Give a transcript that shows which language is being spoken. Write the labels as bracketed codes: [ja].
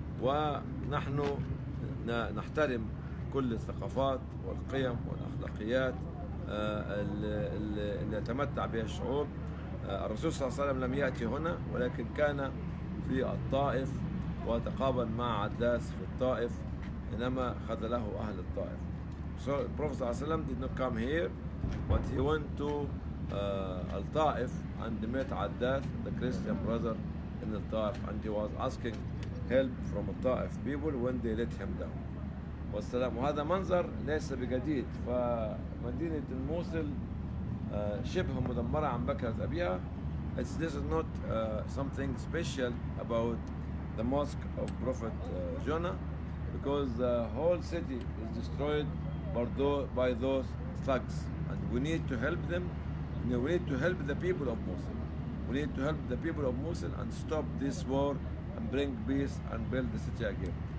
[ar] ونحن نحترم كل الثقافات والقيم والأخلاقيات اللي يتمتع بها الشعوب. الرسول صلى الله عليه وسلم لم يأتي هنا ولكن كان في الطائف وتقابل مع عداس في الطائف إنما خذله أهل الطائف. [en] So the Prophet [ar] صلى الله عليه وسلم [en] did not come here, but he went to الطائف and met عداس, the Christian brother. In the Taif, and he was asking help from the Taif people when they let him down. [ar] والسلام. وهذا منظر ليس بجديد. فمدينة الموصل شبه مدمرة عن بكرة أبيها. [en] This is not something special about the mosque of Prophet Jonah, because the whole city is destroyed by those thugs, and we need to help them. And we need to help the people of Mosul. We need to help the people of Mosul and stop this war and bring peace and build the city again.